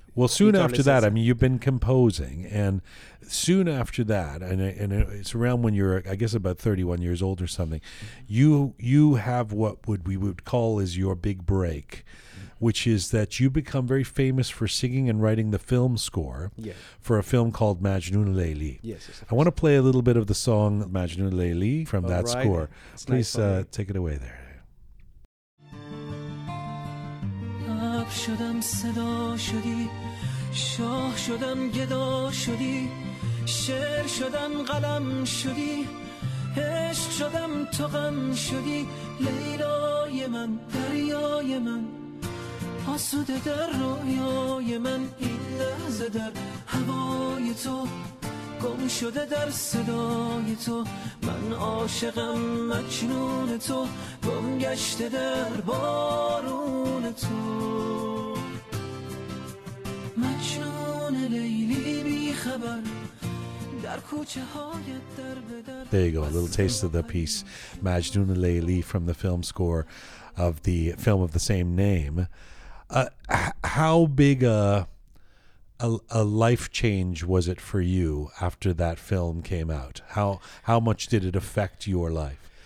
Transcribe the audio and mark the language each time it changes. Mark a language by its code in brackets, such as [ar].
[en] Well, soon after that, I mean, you've been composing, and soon after that, and it's around when you're, I guess, about 31 years old or something, you have what we would call is your big break, which is that you become very famous for singing and writing the film score for a film called Majnun Leyli. Yes, I want to play a little bit of the song Majnun Leyli from that score. It's please nice take it away there. [fa] شدم صدا شدی شاه شدم گدا شدی شعر شدم قلم شدی عشق شدم تو غم شدی لیلای من دریای من آسوده در رویای من این لحظه در هوای تو گم شده در صدای تو من عاشقم مجنون تو گم گشته در بارون تو مجنون لیلی بی خبر در کوچه هایت در بدر. [en] There you go, a little taste of the piece Majnun Leyli from the film score of the film of the same name. How big a life change was it for you after that film came out? How much did it affect your life?